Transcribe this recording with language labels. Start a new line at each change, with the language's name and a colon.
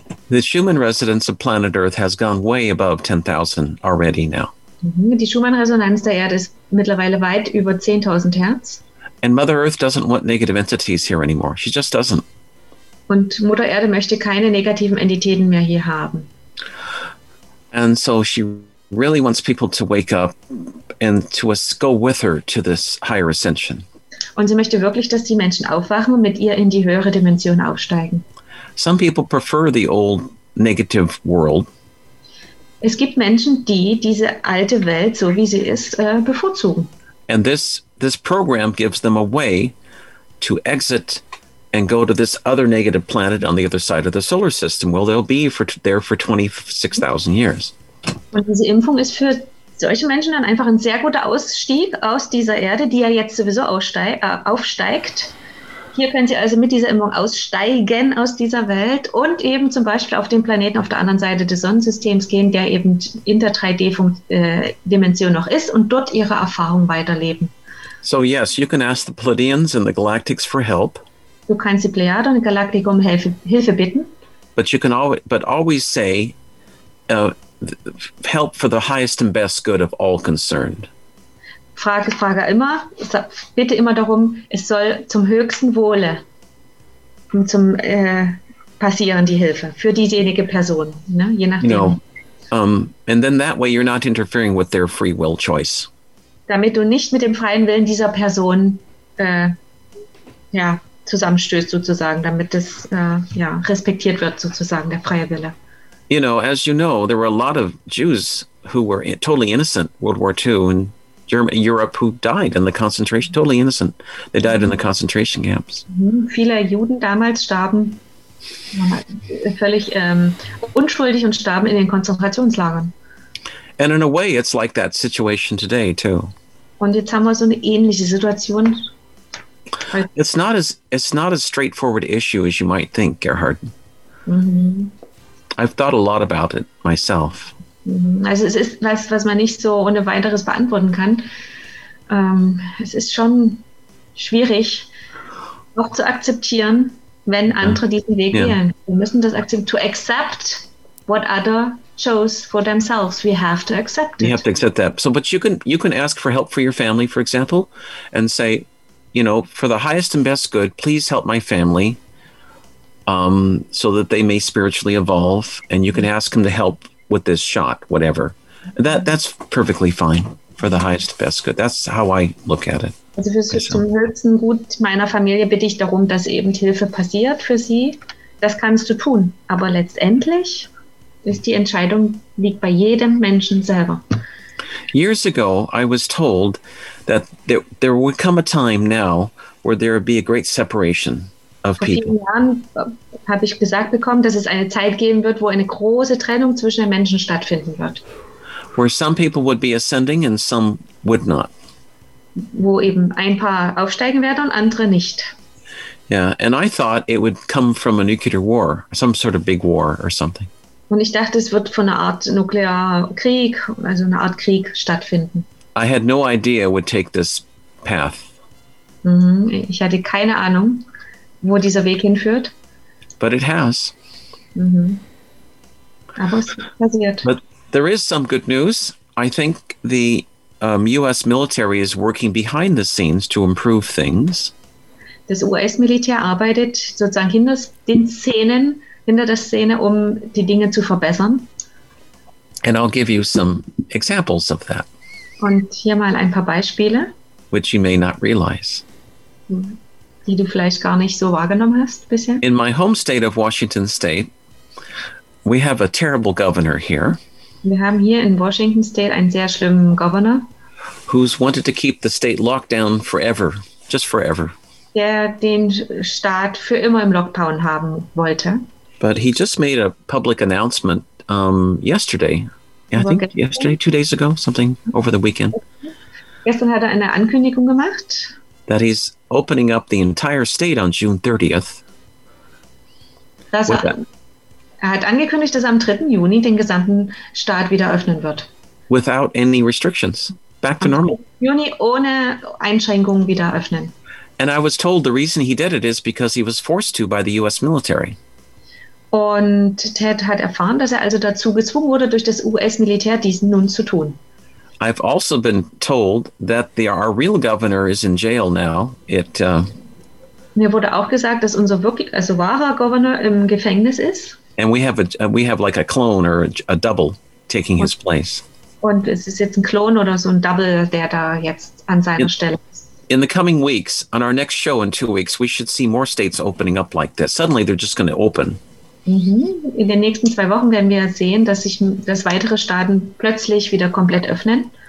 English: The Schumann-Resonanz of planet Earth has gone way above 10,000 already now.
German: Die Schumann-Resonanz der Erde ist mittlerweile weit über 10.000 Hertz.
English: And Mother Earth doesn't want negative entities here anymore. She just doesn't.
German: Und Mutter Erde möchte keine negativen Entitäten mehr hier haben.
English: And so she really wants people to wake up and to go with her to this higher ascension.
German: Und sie möchte wirklich, dass die Menschen aufwachen und mit ihr in die höhere Dimension aufsteigen.
English: Some people prefer the old negative world.
German: Es gibt Menschen, die diese alte Welt, so wie sie ist, bevorzugen.
English: And this program gives them a way to exit and go to this other negative planet on the other side of the solar system. Well, they'll be there for 26,000 years.
German: Und diese Impfung ist für solche Menschen dann einfach ein sehr guter Ausstieg aus dieser Erde, die ja jetzt sowieso aufsteigt. Hier können sie also mit dieser Impfung aussteigen aus dieser Welt und eben zum Beispiel auf den Planeten auf der anderen Seite des Sonnensystems gehen, der eben in der 3D-Dimension noch ist und dort ihre Erfahrung weiterleben.
English: So yes, you can ask the Pleiadians and the Galactics for help.
German: Du kannst die Plejade und die Galaktik um Hilfe bitten.
English: But you can always say help for the highest and best good of all concerned.
German: Frage immer, bitte immer darum, es soll zum höchsten Wohle, zum passieren die Hilfe für diejenige Person, ne? Je nachdem.
English: You know, and then that way you're not interfering with their free will choice.
German: Damit du nicht mit dem freien Willen dieser Person ja, zusammenstößt sozusagen, damit das ja, respektiert wird sozusagen, der freie Wille.
English: You know, as you know, there were a lot of Jews who were totally innocent, World War II in Germany, Europe, who died in the concentration, totally innocent. They died in the concentration camps.
German: Viele Juden damals starben völlig unschuldig und starben in den Konzentrationslagern.
English: And in a way, it's like that situation today, too.
German: Und jetzt haben wir so eine ähnliche Situation.
English: It's not a straightforward issue as you might think, Gerhard. I've thought a lot about it myself.
German: Also es ist was, was man nicht so ohne weiteres beantworten kann. Es ist schon schwierig, auch zu akzeptieren, wenn andere diesen Weg wählen. Wir müssen das akzeptieren.
English: To accept what other chose for themselves, we have to accept it. You have to accept that. So, but you can ask for help for your family, for example, and say, you know, for the highest and best good, please help my family. So that they may spiritually evolve, and you can ask them to help with this shot, whatever. That's perfectly fine for the highest best good. That's how I look at it.
German: Also für zum höchsten Gut meiner Familie bitte ich darum, dass eben Hilfe passiert für sie. Das kannst du tun, aber letztendlich ist die Entscheidung liegt bei jedem Menschen selber.
English: Years ago, I was told that there would come a time now where there would be a great separation.
German: Vor vielen Jahren habe ich gesagt bekommen, dass es eine Zeit geben wird, wo eine große Trennung zwischen den Menschen stattfinden wird.
English: Where some people would be ascending and some would not.
German: Wo eben ein paar aufsteigen werden und andere nicht.
English: Yeah, and I thought it would come from a nuclear war, some sort of big war or something.
German: Und ich dachte, es wird von einer Art Nuklearkrieg, also einer Art Krieg stattfinden.
English: I had no idea it would take this path.
German: Ich hatte keine Ahnung, wo dieser Weg hinführt.
English: But it has.
German: Aber es passiert.
English: But there is some good news. I think the US military is working behind the scenes to improve things.
German: Das US-Militär arbeitet sozusagen hinter den Szenen, hinter der Szene, um die Dinge zu verbessern.
English: And I'll give you some examples of that.
German: Und hier mal ein paar Beispiele.
English: Which you may not realize.
German: Die du vielleicht gar nicht so wahrgenommen hast bisher.
English: In my home state of Washington State, we have a terrible governor here.
German: Wir haben hier in Washington State einen sehr schlimmen Governor.
English: Who's wanted to keep the state locked down forever, just forever.
German: Der den Staat für immer im Lockdown haben wollte.
English: But he just made a public announcement yesterday. Yeah, I think yesterday, 2 days ago, something over the weekend.
German: Gestern hat eine Ankündigung gemacht.
English: That he's opening up the entire state on June 30th.
German: Er hat angekündigt, dass er am 3. Juni den gesamten Staat wieder öffnen wird.
English: Without any restrictions. Back to normal.
German: Juni ohne Einschränkungen wieder öffnen.
English: And I was told the reason he did it is because he was forced to by the US military.
German: Und Ted hat erfahren, dass er also dazu gezwungen wurde, durch das US-Militär diesen nun zu tun.
English: I've also been told that our real governor is in jail now.
German: Mir wurde auch gesagt, dass unser wirklich also wahrer Governor im Gefängnis ist.
English: And we have like a clone or a double taking his place.
German: Und es ist jetzt ein Klon oder so ein Double, der da jetzt an seiner Stelle ist.
English: In the coming weeks, on our next show in 2 weeks, we should see more states opening up like this. Suddenly they're just going to open.
German: In den nächsten 2 Wochen werden wir sehen, dass weitere Staaten plötzlich wieder komplett öffnen.